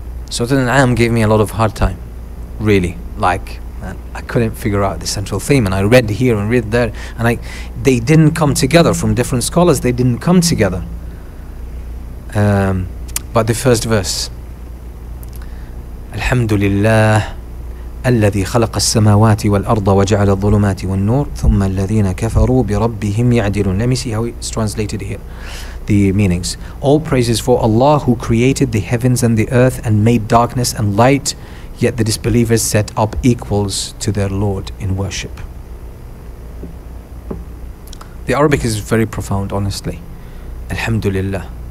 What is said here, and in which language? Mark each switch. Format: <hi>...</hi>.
<en>Surah Al-An'am gave me a lot of hard time, really. Man, I couldn't figure out the central theme, and I read here and read there, and they didn't come together from different scholars. They didn't come together. But the first verse, Alhamdulillah,</en> <ar>الذي خلق السماوات والأرض وجعل الظلمات والنور ثم الذين كفروا بربهم يعدلون.</ar> <en>Let me see how it's translated here. The meanings. All praises for Allah who created the heavens and the earth and made darkness and light. Yet the disbelievers set up equals to their Lord in worship. The Arabic is very profound, honestly. Alhamdulillah.</en>